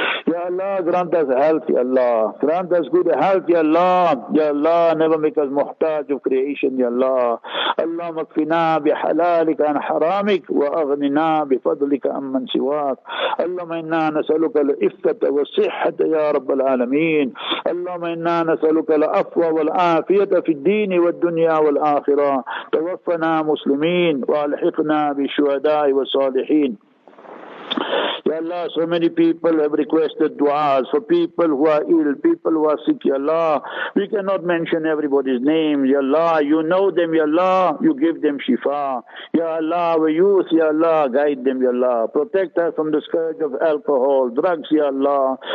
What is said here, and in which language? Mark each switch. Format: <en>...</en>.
<en>Ya Allah, grant us health, Ya Allah. Grant us good health, Ya Allah. Ya Allah, never make us muhtaj of creation, Ya Allah.</en> <ar>Allah makfina bi halalika an haramik wa aghnina bi fadlika amman siwak. Allah inna nasaluka al-iffata wa sihata, Ya Rabbi العالمين. اللهم إنا نسألك العفو والعافية في الدين والدنيا والآخرة توفنا مسلمين وألحقنا بالشهداء والصالحين.</ar> <en>Ya Allah, so many people have requested du'as for people who are ill, people who are sick, Ya Allah. We cannot mention everybody's name, Ya Allah. You know them, Ya Allah. You give them shifa. Ya Allah, we use, Ya Allah, guide them, Ya Allah. Protect us from the scourge of alcohol, drugs, Ya Allah.</en>